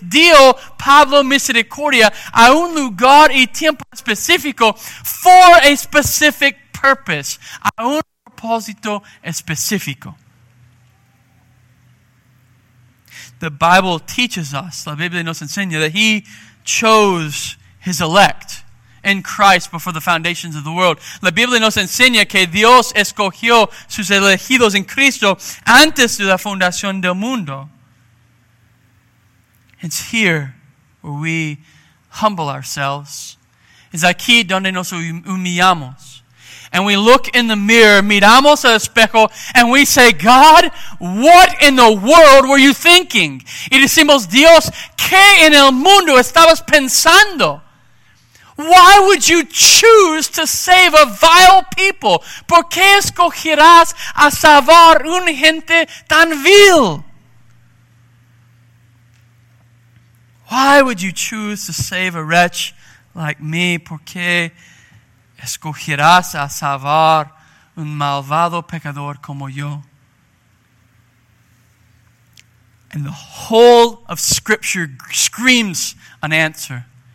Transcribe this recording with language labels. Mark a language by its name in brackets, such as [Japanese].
[Spanish] Dio Pablo misericordia a un lugar y tiempo específico [English] for a specific purpose, [Spanish] a un propósito específico. [English] The Bible teaches us, [Spanish] la Biblia nos enseña, [English] that he chose his elect in Christ before the foundations of the world. [Spanish] La Biblia nos enseña que Dios escogió sus elegidos en Cristo antes de la fundación del mundo. [English] It's here where we humble ourselves. [Spanish] Es aquí donde nos humillamos. [English] and we look in the mirror, [Spanish] miramos al espejo, [English] and we say, God, what in the world were you thinking? [Spanish] Y decimos, Dios, ¿qué en el mundo estabas pensando? [English] Why would you choose to save a vile people? [Spanish] ¿Por qué escogerás a salvar un gente tan vil? [English] Why would you choose to save a wretch like me? [Spanish] ¿Por qué escogerás a salvar un malvado pecador como yo? [English] And the whole of Scripture screams an answer.